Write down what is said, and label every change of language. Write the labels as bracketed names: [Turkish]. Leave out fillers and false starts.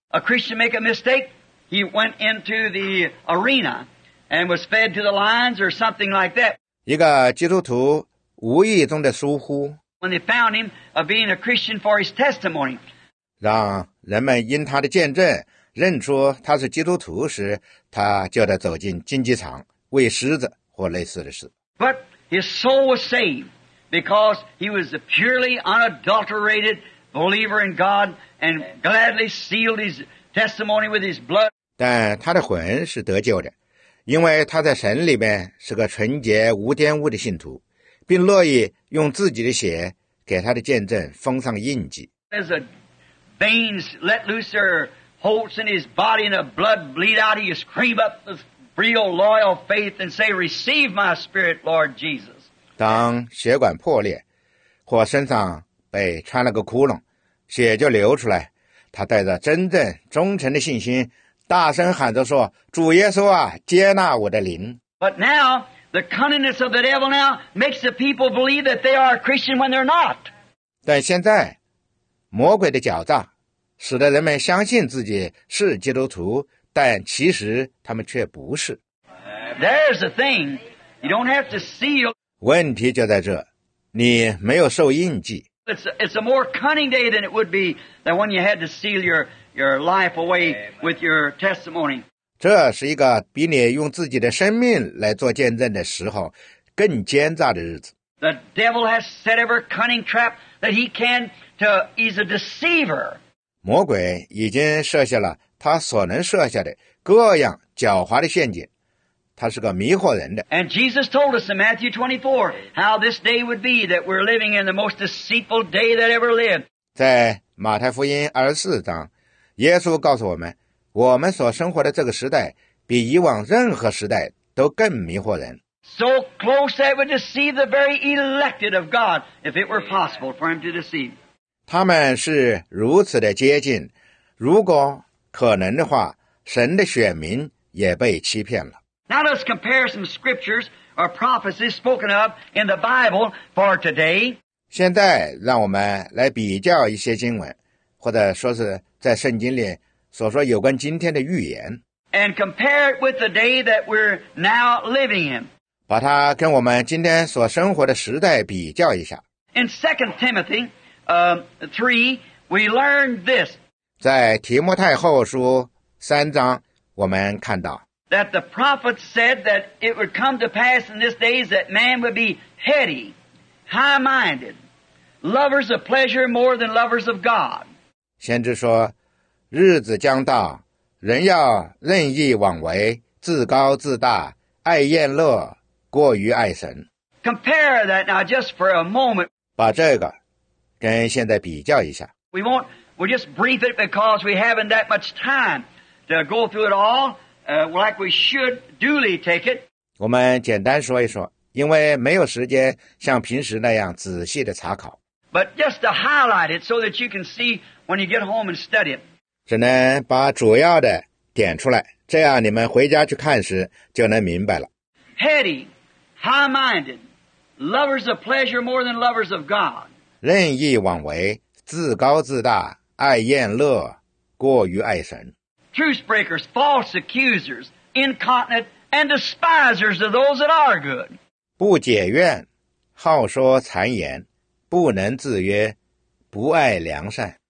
[English] A Christian make a mistake, he went into the arena and was fed to the lions or something like that. [Chinese] 一个基督徒无意中的疏忽， [English] When they found him of being a Christian for his testimony, [Chinese] 让人们因他的见证认出他是基督徒时，他就得走进竞技场喂狮子或类似的事。 [English] But his soul was saved because he was a purely unadulterated. Believer in God and gladly sealed his testimony with his blood. [Chinese] 但他的魂是得救的，因为他在神里面是个纯洁无玷污的信徒，并乐意用自己的血给他的见证封上印记。 [English] As the veins let loose their holes in his body and the blood bleed out, he scream up with real loyal faith and say, "Receive my spirit, Lord Jesus." [Chinese] 当血管破裂，或身上被穿了个窟窿，血就流出来，他带着真正忠诚的信心大声喊着说，主耶稣啊，接纳我的灵。 [English] But now, the cunningness of the devil now makes the people believe that they are a Christian when they're not. [Chinese] 但现在魔鬼的狡诈使得人们相信自己是基督徒，但其实他们却不是。 [English] There's the thing. You don't have to seal. [Chinese] 问题就在这，你没有受印记。 [English] It's a more cunning day than it would be than when you had to seal your life away with your testimony. [Chinese] 这是一个比你用自己的生命来做见证的时候更奸诈的日子。 [English] The devil has set every cunning trap that he can to. He's a deceiver. [Chinese] 魔鬼已经设下了他所能设下的各样狡猾的陷阱，他是个迷惑人的。 [English] And Jesus told us in Matthew 24 how this day would be that we're living in the most deceitful day that ever lived. [Chinese] 在马太福音24章，耶稣告诉我们，我们所生活的这个时代比以往任何时代都更迷惑人。 [English] So close that it would deceive the very elected of God if it were possible for him to deceive. [Chinese] 他们是如此的接近，如果可能的话，神的选民也被欺骗了。 [English] Now let's compare some scriptures or prophecies spoken of in the Bible for today. [Chinese] 现在让我们来比较一些经文，或者说是在圣经里所说有关今天的预言。 [English] And compare it with the day that we're now living in. [Chinese] 把它跟我们今天所生活的时代比较一下。 [English] In 2 Timothy 3, we learn this. [Chinese] 在提摩太后书三章，我们看到 [English] that the prophet said that it would come to pass in these days that man would be heady, high-minded, lovers of pleasure more than lovers of God. [Chinese] 先知说，日子将到，人要任意妄为，自高自大，爱宴乐，过于爱神。 [English] Compare that now just for a moment. [Chinese] 把这个跟现在比较一下。 [English] We'll just brief it because we haven't that much time to go through it all, like we should duly take it. [Chinese] 我们简单说一说，因为没有时间像平时那样仔细的查考。 [English] But just to highlight it so that you can see when you get home and study it. [Chinese] 只能把主要的点出来，这样你们回家去看时就能明白了。 [English] Heady, high-minded, lovers of pleasure more than lovers of God. [Chinese] 任意妄为。自高自大，爱宴乐，过于爱神。 [English] Truth breakers, false accusers, incontinent, and despisers of those that are good. [Chinese] 不解怨，好说谗言，不能自约，不爱良善。